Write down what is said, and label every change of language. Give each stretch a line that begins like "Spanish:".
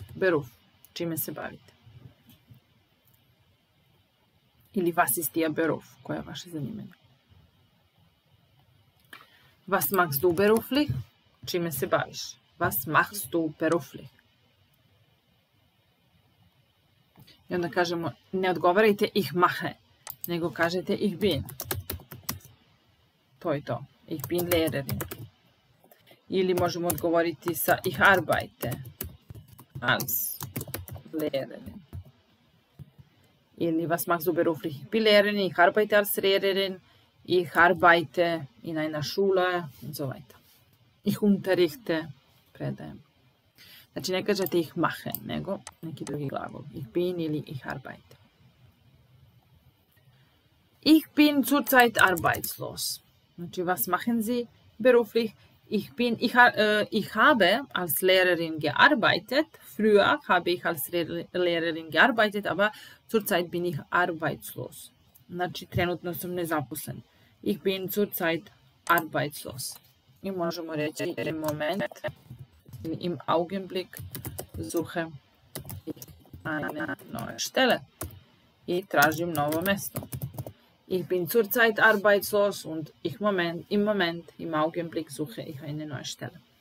Serbian: Beruf, čime se bavite? Ili,
German: was ist Ihr Beruf?
Serbian: Koja je vaše zanimanje?
German: Was machst du beruflich?
Serbian: Čime se baviš?
German: Was machst du beruflich?
Serbian: I onda kažemo, ne odgovarajte
German: ich mache,
Serbian: nego kažete
German: ich bin.
Serbian: To je to.
German: Ich bin Lehrerin.
Serbian: Ili možemo odgovoriti sa
German: ich arbeite als Lehrerin.
Serbian: Ili
German: was machst du beruflich? Ich bin Lehrerin, ich arbeite als Lehrerin. Ich arbeite in einer Schule und so weiter. Ich unterrichte,
Serbian: predajem. Znači, ne kažete
German: ich mache,
Serbian: nego neki drugi glagol.
German: Ich bin ili ich arbeite. Ich bin zurzeit arbeitslos.
Serbian: Znači,
German: was machen Sie beruflich? Ich habe als Lehrerin gearbeitet. Früher habe ich als Lehrerin gearbeitet, aber zurzeit bin ich arbeitslos.
Serbian: Znači, trenutno sam nezaposlen.
German: Ich bin zurzeit arbeitslos.
Serbian: I možemo reći
German: im moment, im Augenblick suche ich eine neue Stelle.
Serbian: I tražim novo mesto.
German: Ich bin zurzeit arbeitslos und ich moment, im Moment, im Augenblick suche ich eine neue Stelle.